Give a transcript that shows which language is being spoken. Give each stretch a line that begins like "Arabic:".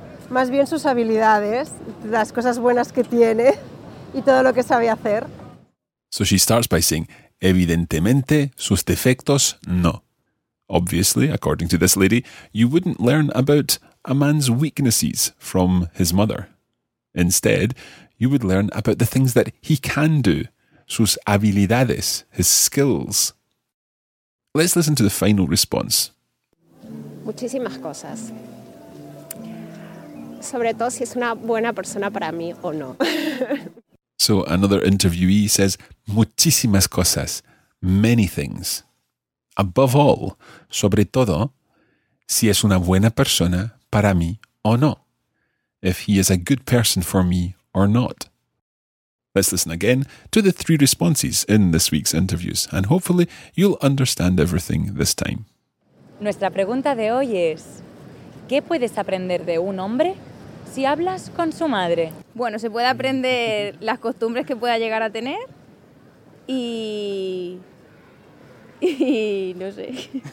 Spanish: Más bien sus habilidades, las cosas buenas que tiene y todo lo que sabe hacer.
English: So she starts by saying,
Spanish: evidentemente, sus defectos, no.
English: Obviously, according to this lady, you wouldn't learn about a man's weaknesses from his mother. Instead, you would learn about the things that he can do,
Spanish: sus habilidades,
English: his skills. Let's listen to the final response.
Spanish: Muchísimas cosas. Sobre todo si es una buena persona para mí o no.
English: So another interviewee says,
Spanish: muchísimas cosas,
English: many things. Above all,
Spanish: sobre todo, si es una buena persona para mí o no.
English: If he is a good person for me or not. Let's listen again to the three responses in this week's interviews, and hopefully you'll understand everything this time.
Spanish: Nuestra pregunta de hoy es, ¿qué puedes aprender de un hombre si hablas con su madre? Bueno, se puede aprender las costumbres que pueda llegar a tener y no sé.